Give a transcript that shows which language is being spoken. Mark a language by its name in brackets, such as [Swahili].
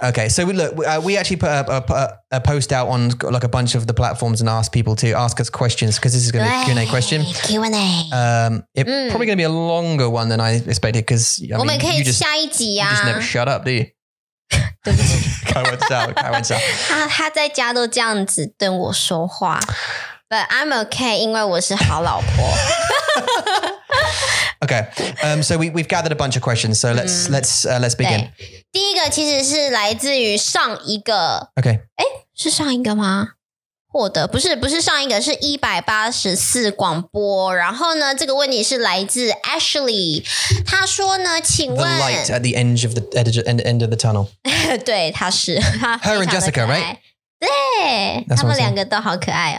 [English] okay so we look we actually put a post out on like a bunch of the platforms and ask people to ask us questions because this is going to be a Q&A question Q&A it's、嗯、probably going to be a longer one than I expected because I mean, you just [Chinese] 下一集啊 [English] you just never shut up do you [Chinese] 开玩笑。他在家都这样子对我说话。 [English] But I'm okay, [Chinese] 因为我是好老婆。 [English] Okay, so we've gathered a bunch of questions, so let's begin. [Chinese] 第一个其实是来自于上一个。 [English] Okay. [Chinese] 诶，是上一个吗？获得，不是上一个，是184广播。然后呢，这个问题是来自 Ashley， 他说呢，请问 [English] The light at the end of the tunnel [Chinese] 对。对，他是 [English] Her and Jessica, right? [Chinese] 对，他们两个都好可爱哦。